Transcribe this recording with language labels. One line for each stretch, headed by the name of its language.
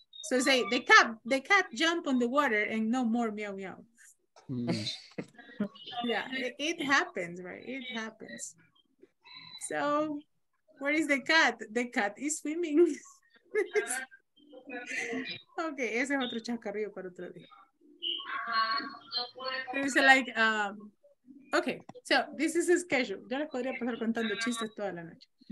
English: So say the cat jump on the water and no more miau miau. Yeah, it happens, right? It happens. So, where is the cat? The cat is swimming.
Spanish: Okay, ese es otro chascarrillo para otro día.
English: It's like, okay, so this is a schedule.
Spanish: Yo les podría pasar contando chistes toda la noche.